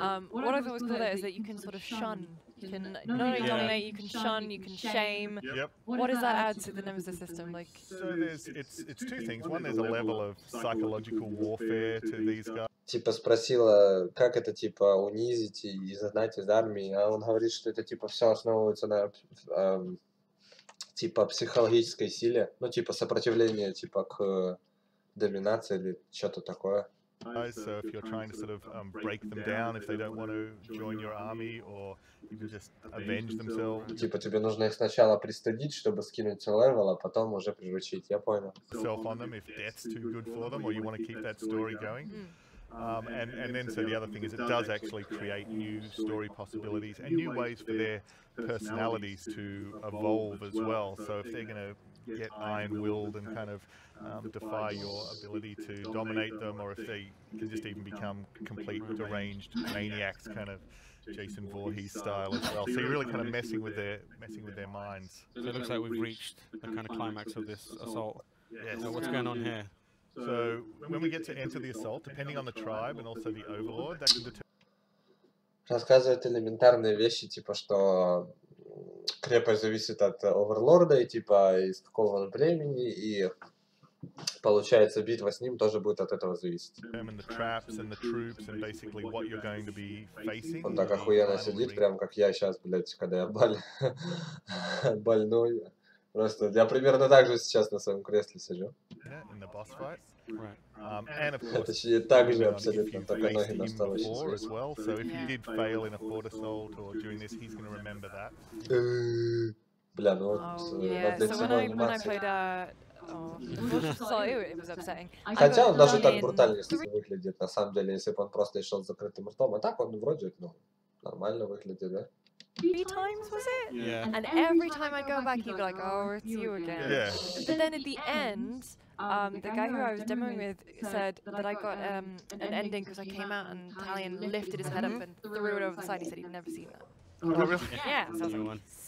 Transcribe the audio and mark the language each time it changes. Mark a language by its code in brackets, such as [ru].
[en] What I thought was cool there is that you can sort of shun. You can not only dominate, you can shun, you can shame. Yep. What does that add to the Nemesis system? Like, so there's it's two things. One, there's a level of psychological warfare to these guys. [ru] Типа спросила, как это типа унизить и изгнать из армии, а он говорит, что это типа все основывается на типа психологической силе, ну типа сопротивление типа к доминации или что-то такое. [en] So if you're trying to sort of break them down, if they don't want to join your army, or you can just avenge themselves. [ru] Типа тебе нужно их сначала пристыдить, чтобы скинуть левел, а потом уже приручить. Я понял. [en] Self on them if death's too good for them, or you want to keep that story going. And then so the other thing is it does actually create new story possibilities and new ways for their personalities to evolve as well. So if they're going to get iron-willed and kind of defy your ability to dominate them, or if they can just even become complete deranged maniacs, kind of Jason Voorhees style as well. So you're really kind of messing with their minds. So it looks like we've reached the kind of climax of this assault. Yes. So what's going on here? So when we get to enter the assault, depending on the tribe and also the overlord, that can determine. [ru] Рассказывает элементарные вещи, типа что крепость зависит от оверлорда и типа из какого он племени, и получается битва с ним тоже будет от этого зависеть. [en] And the traps and the troops and basically what you're going to be facing. [ru] Он так охуенно сидит, прям как я сейчас, блять, когда я больной. Просто я примерно так же сейчас на своем кресле сижу. [en] In the boss fight. Right. [ru] Точнее, так же абсолютно, только ноги на столе сейчас. [en] Well. So if you did fail in a fort assault or during this, he's going to remember that. [ru] Бля, ну вот, [en] yeah. So when I played, it was upsetting. [ru] Хотя он даже так брутально выглядит, на самом деле, если бы он просто шел с закрытым ртом, а так он вроде, ну, нормально выглядит, да? [en] Three times was it? Yeah. And every time I'd go back, he'd be like, oh, it's you again. Yeah. But then at the end, the guy who I was demoing with said that I got an ending because I came out and Talion lifted his head up and threw it over the side. He said he'd never seen that. Oh, really? Yeah. So